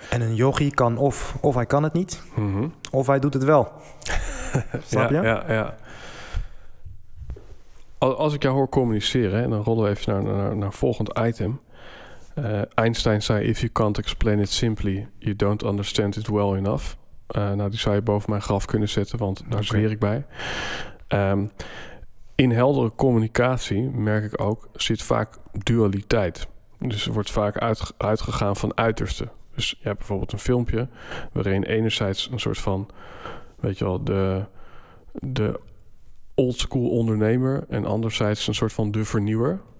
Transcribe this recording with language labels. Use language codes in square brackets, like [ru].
[nl] En een jochie kan of hij kan het niet, mm-hmm, of hij doet het wel. Snap je? Ja, ja, ja. Als ik jou hoor communiceren, en dan rollen we even naar volgend item. Einstein zei, [en] if you can't explain it simply, you don't understand it well enough. [nl] Nou, die zou je boven mijn graf kunnen zetten, want daar zweer ik bij. In heldere communicatie, merk ik ook, zit vaak dualiteit. Dus er wordt vaak uitgegaan van uitersten. Dus je hebt bijvoorbeeld een filmpje waarin enerzijds een soort van, weet je wel, de oldschool ondernemer en anderzijds een soort van de vernieuwer.